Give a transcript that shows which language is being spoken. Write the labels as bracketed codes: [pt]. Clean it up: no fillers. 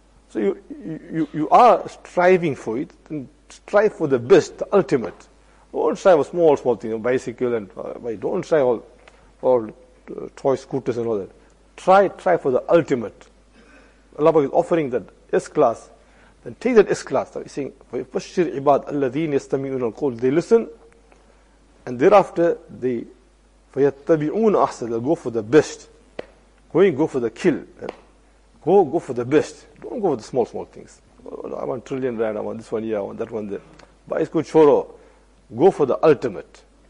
[en] So you are striving for it, then strive for the best, the ultimate. Don't strive for small thing, a bicycle and don't strive for toy scooters and all that. Try for the ultimate. Allah is offering that S-class. Then take that S-class. He's saying, [ar] فَيُبَشِّرْ عِبَادْ أَلَّذِينَ يَسْتَمِعُونَ الْقُولِ. [en] They listen, and thereafter, they [ar] فَيَتَّبِعُونَ أَحْسَنَ. [en] They'll go for the best. Go for the kill. Go for the best. Don't go for the small things. Oh, I want trillion rand, I want this one here, I want that one there. [ur] بَيْسْكُوْ چُورُوْ. [en] Go for the ultimate.